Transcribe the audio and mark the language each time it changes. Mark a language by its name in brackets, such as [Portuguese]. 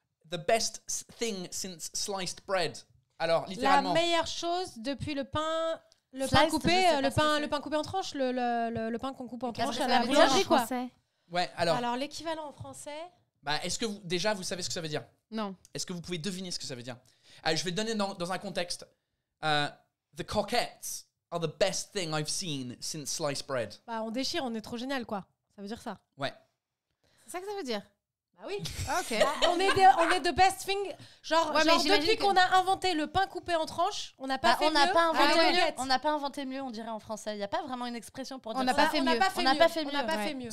[English] The best thing since sliced bread. [French] Alors, littéralement. La meilleure chose depuis le pain coupé en tranches, le pain qu'on coupe en tranches à la boulangerie, quoi. Ouais, alors. Alors, l'équivalent en français. Bah, est-ce que vous, déjà, vous savez ce que ça veut dire? Non. Est-ce que vous pouvez deviner ce que ça veut dire? Je vais donner dans un contexte. [English] The Coquettes are the best thing I've seen since sliced bread. [French] Bah, on déchire, on est trop génial, quoi. Ça veut dire ça. Ouais. C'est ça que ça veut dire? Ah oui, ok. on est [English] the best thing. [French] Genre depuis qu'on a inventé le pain coupé en tranches, on n'a pas fait on mieux. On n'a pas inventé mieux. On n'a pas inventé mieux, on dirait en français. Il n'y a pas vraiment une expression pour dire on ça. On n'a pas fait mieux.